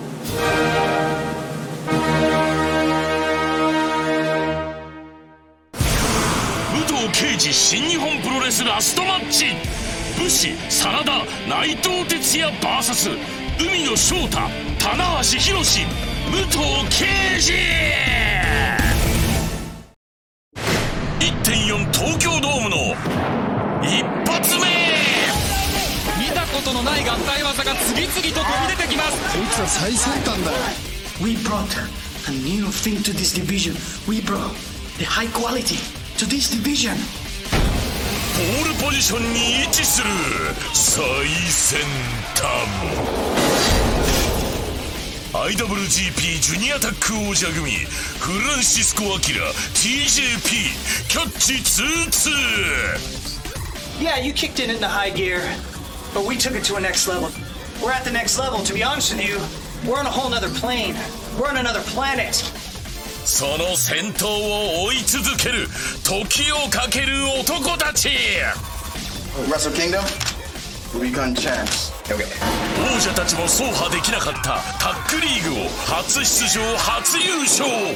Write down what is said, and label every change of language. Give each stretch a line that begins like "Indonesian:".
Japanese: 武藤敬司新日本プロレスラストマッチ、武士、真田、内藤哲也 VS 海野翔太、棚橋博史、武藤敬司。 1.4 東京ドームの一発目。のない合体技が次々と飛び出てきます。こいつは最先端だ。
English: We brought a new thing to this division. We brought the high quality to this division.
Japanese: ポールポジションに位置する最先端。 IWGP ジュニアタック王者組、フランシスコ・アキラ TJP、 キャッチ2-2。
English: Yeah, you kicked it in the high gear. But we took it to a next level. We're at the next level. To be honest with you, we're on a whole other plane. We're on another planet.
Japanese: その先頭を追い続ける時をかける男たち。
English: Wrestle Kingdom, we become champs. Okay.
Japanese: 王者たちも走破できなかったタックリーグを初出場、初優勝。